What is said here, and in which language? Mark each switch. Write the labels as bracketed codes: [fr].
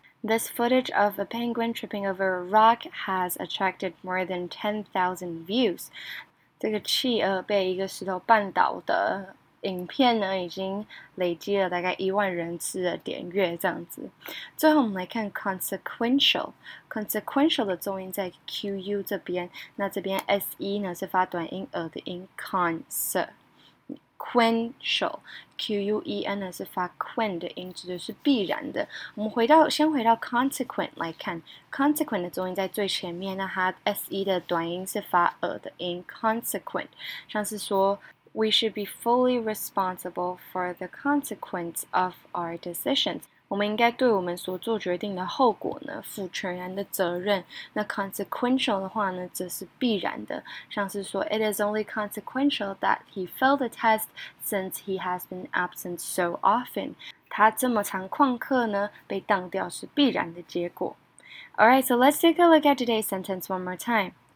[en] This footage of a penguin tripping over a rock has attracted more than 10,000 views。 [zh] 这个企鹅被一个石头绊倒的。影片呢已经累积了大概10,000人次的点阅这样子。最后我们来看 consequential 的重音在 QU 这边，那这边 SE 呢是发短音耳的音 consequential， QUEN 呢是发 quen 的音，指的是必然的。我们回到 consequent 来看， consequent 的重音在最前面，那它 SE 的短音是发耳的音 consequent， 像是说 [en] We should be fully responsible for the consequence of our decisions. [zh] 我们应该对我们所做决定的后果呢，负全然的责任。那 consequential 的话呢，则是必然的。像是说 [en] ，It is only consequential that he failed the test since he has been absent so often. [zh] 他这么常旷课呢，被当掉是必然的结果。 [en] Alright, so let's take a look at today's sentence one more time.